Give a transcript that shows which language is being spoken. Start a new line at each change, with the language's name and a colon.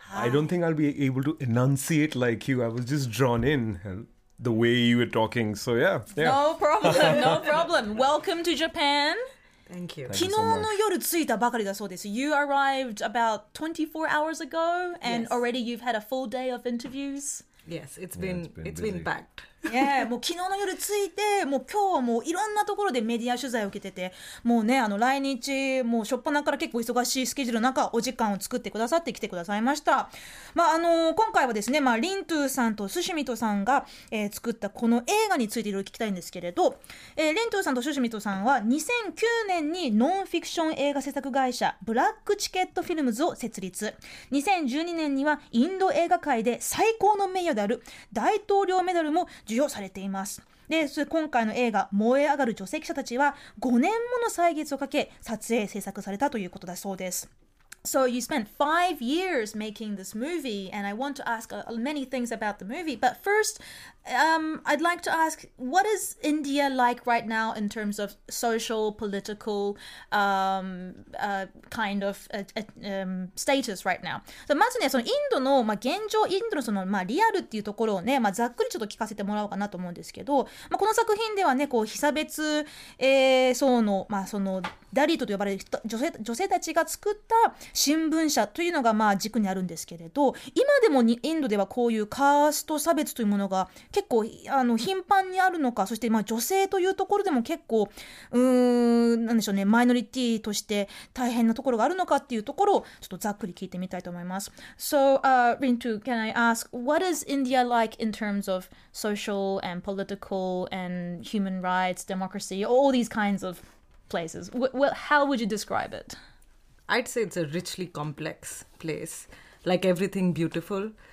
English: I don't think I'll be able to enunciate like you. I was just drawn in the way you were talking. So yeah, yeah. No problem. Welcome to Japan. Thank you.
Japanese: 昨日の夜着いたばかりだそうです。
English: You arrived about 24 hours ago and yes. already you've had a full day of interviews. Yes, it's been packed.
Japanese: Yeah, もう昨日の夜着いて、もう今日はもういろんなところでメディア取材を受けてて、もうね、あの来日、もう初っ端から結構忙しいスケジュールの中、お時間を作ってくださって来てくださいました。まあ、今回はですね、まあ、リントゥーさんとスシュミトさんが、作ったこの映画についていろいろ聞きたいんですけれど、リントゥーさんとスシュミトさんは2009年にノンフィクション映画制作会社、ブラックチケットフィルムズを設立。 2012年にはインド映画界で最高の名誉である大統領メダルも授与されています。で、今回の映画燃え上がる女性記者たちは5年もの歳月をかけ撮影制作されたということだそうです。
English: So you spent 5 years making this movie and I want to ask many things about the movie, but first I'd like to ask, what is India like right now in terms of social political kind of status right now?
Japanese: So, まずね、そのインドの、まあ、現状、インドのその、まあ、リアルっていうところをね、まあ、ざっくりちょっと聞かせてもらおうかなと思うんですけど、まあ、この作品ではね、こう被差別層の、まあ、そのダリットと呼ばれる女性たちが作った新聞社というのが、まあ、軸にあるんですけれど、今でもインドではこういうカースト差別というものが結構頻繁にあるのか、そして、まあ、女性というところでも結構なんでしょうね、マイノリティとして大変なところがあるのかっていうところをちょっとざっくり聞いてみたいと思います。
English: So, Rintu, can I ask, what is India like in terms of social and political and human rights, democracy, all these kinds of places? How would you describe it? I'd say it's a richly complex place, like everything beautiful.